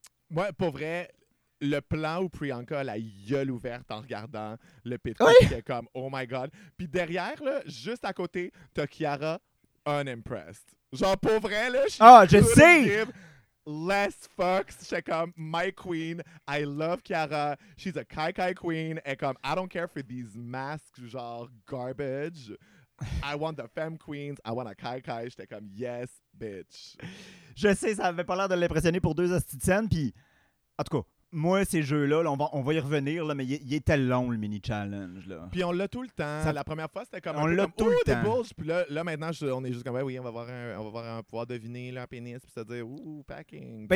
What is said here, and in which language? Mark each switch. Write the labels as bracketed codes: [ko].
[fr] Ouais, pour vrai, le plan où Priyanka a la gueule ouverte en regardant le pit qui est comme « [en] Oh my God ». [fr] Puis derrière, là, juste à côté, t'as Kiara unimpressed. Genre, pour vrai, là, je sais! [en] Less fucks, she's like, my queen, I love Kiara, she's a kai kai queen, and come, I don't care for these masks, genre garbage, I want the femme queens, I want a kai kai, she's like, yes, bitch. [fr] Je sais, ça avait pas l'air de l'impressionner pour deux astuces, puis en tout cas, moi, ces jeux-là, là, on va y revenir, là, mais il est tellement long, le mini-challenge. Là. Puis on l'a tout le temps. La première fois, c'était comme... On l'a comme, tout le temps. [en] Bulges. [fr] Puis là, maintenant, on est juste comme, oui, on va pouvoir deviner là, un pénis, puis se dire, ouh, packing.